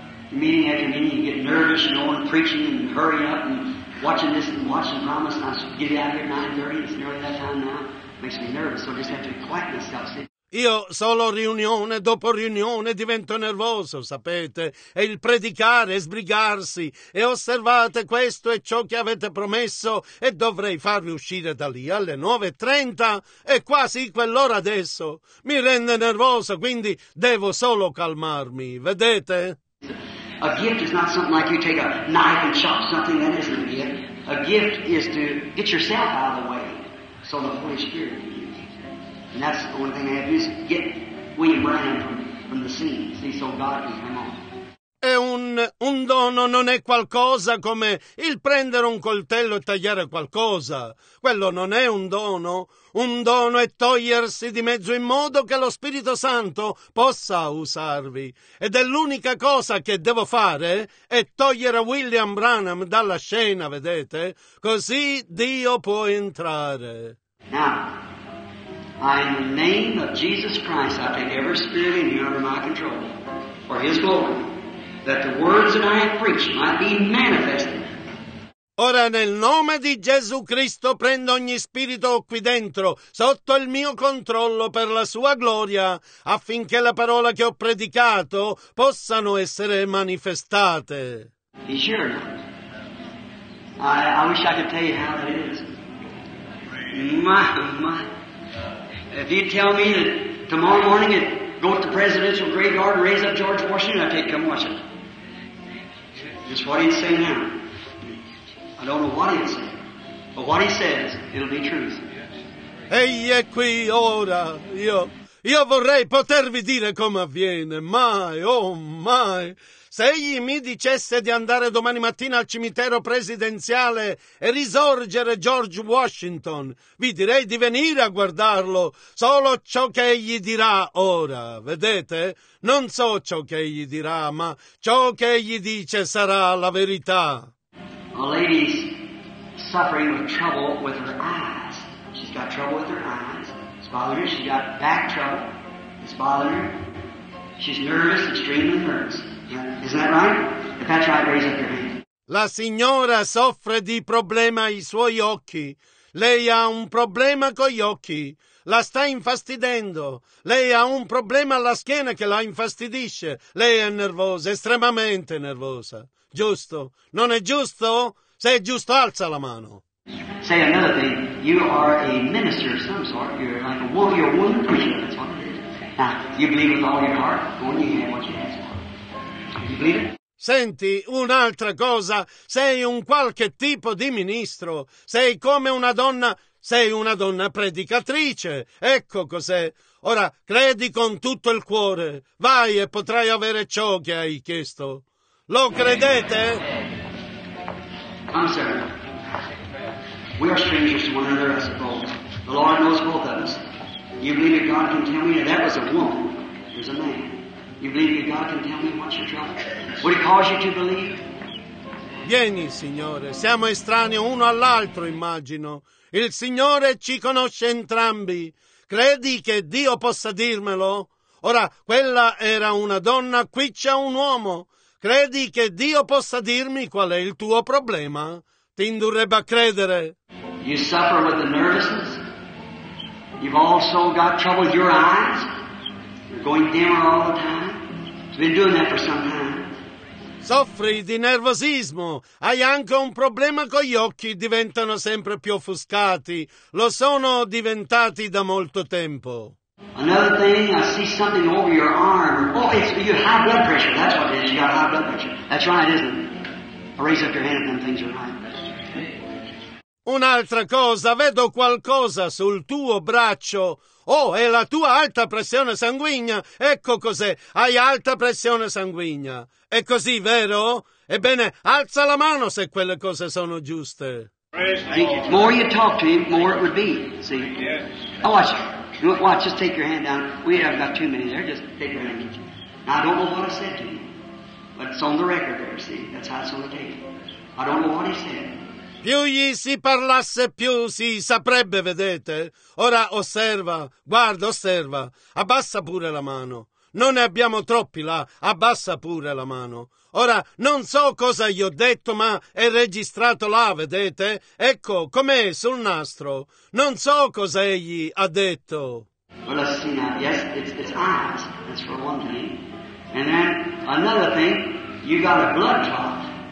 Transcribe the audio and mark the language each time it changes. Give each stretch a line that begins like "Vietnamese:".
English: Meeting after meeting, you get nervous, you know, and preaching and hurry up and watching this and watching promise, and I should get out of here at 9:30, it's nearly that time now. Makes me nervous, so I just have to quiet myself. See?
Italian: Io solo riunione dopo riunione divento nervoso, sapete, e il predicare e sbrigarsi, e osservate questo è ciò che avete promesso e dovrei farvi uscire da lì alle 9:30, è quasi quell'ora adesso, mi rende nervoso, quindi devo solo calmarmi, vedete?
English: A gift is not something like you take a knife and chop something, that isn't a gift. A gift is to get yourself out of the way so the Holy Spirit can use you. And that's the only thing I have to do is get William Branham from the scene. See, so God can come on.
Italian: È un dono, non è qualcosa come il prendere un coltello e tagliare qualcosa. Quello non è un dono. Un dono è togliersi di mezzo in modo che lo Spirito Santo possa usarvi. Ed è l'unica cosa che devo fare è togliere William Branham dalla scena, vedete? Così Dio può entrare.
English: Now, in the name of Jesus Christ, I take every spirit in you under my control for his glory. That the words that I have preached might be manifested.
Italian: Ora nel nome di Gesù Cristo prendo ogni spirito qui dentro, sotto il mio controllo per la sua gloria, affinché la parola che ho predicato possano essere manifestate.
English: Be sure or not? I wish I could tell you how that is. My. If you tell me that tomorrow morning and go to the presidential graveyard and raise up George Washington, I'd take him watch it. Just what he's saying now. I don't know what he's saying, but what he says, it'll be truth.
Italian: Egli è qui ora. Io vorrei potervi dire come avviene. Mai, oh mai. Se egli mi dicesse di andare domani mattina al cimitero presidenziale e risorgere George Washington, vi direi di venire a guardarlo. Solo ciò che egli dirà ora, vedete? Non so ciò che egli dirà, ma ciò che egli dice sarà la verità.
English: A lady's suffering with trouble with her eyes. She's got trouble with her eyes. Bothering her. She's got back trouble. It's bothering her. She's nervous, extremely nervous. Yeah. Isn't that right? If that's right, raise up your hand.
Italian: La signora soffre di problema ai suoi occhi. Lei ha un problema con gli occhi. la sta infastidendo. Lei ha un problema alla schiena che la infastidisce. Lei è nervosa, estremamente nervosa. Giusto? Non è giusto? Se è giusto, alza la mano.
English: Say another thing. You are a minister of some sort. You're like a woman. You're a woman preacher. That's what it is. Now, you believe with all your heart. Go on, you have what you ask for. You believe it?
Italian: Senti, un'altra cosa. Sei un qualche tipo di ministro. Sei come una donna. Sei una donna predicatrice. Ecco cos'è. Ora, credi con tutto il cuore. Vai e potrai avere ciò che hai chiesto. Lo credete?
English: Come, sir. We are strangers to one another, I suppose. The Lord knows both of us. You believe that God can tell me? That was a woman. There's a man. You believe that God can tell me what's your trouble? What he caused you to believe?
Italian: Vieni, Signore. Siamo estranei uno all'altro, immagino. Il Signore ci conosce entrambi. Credi che Dio possa dirmelo? Ora, quella era una donna, qui c'è un uomo. Credi che Dio possa dirmi qual è il tuo problema? Ti indurrebbe a credere.
English: You suffer with the nervousness. You've also got trouble with your eyes. You're going dimmer all the time. You've been doing that for some time.
Italian: Soffri di nervosismo. Hai anche un problema con gli occhi. Diventano sempre più offuscati. Lo sono diventati da molto tempo.
English: Another thing, I see something over your arm. Oh, it's you have blood pressure. That's what it is. You got high blood pressure. That's right, isn't it? I raise up your hand and things are right.
Italian: Un'altra cosa, vedo qualcosa sul tuo braccio. Oh, è la tua alta pressione sanguigna. Ecco cos'è, hai alta pressione sanguigna. È così, vero? Ebbene, alza la mano se quelle cose sono giuste.
English: More you talk to him, more it would be, see? Oh, watch, just take your hand down. We have got too many there, just take your hand. Now, I don't know what I said to you, but it's on the record there, see? That's how it's on the tape. I don't know what he said.
Italian: Più gli si parlasse, più si saprebbe, vedete? Ora osserva, guarda, osserva. Abbassa pure la mano. Non ne abbiamo troppi là. Abbassa pure la mano. Ora, non so cosa gli ho detto, ma è registrato là, vedete? Ecco, com'è sul nastro. Non so cosa egli ha detto.
English: Well, let's see now. Yes, it's eyes. That's for one thing. And then, another thing, you got a blood clot.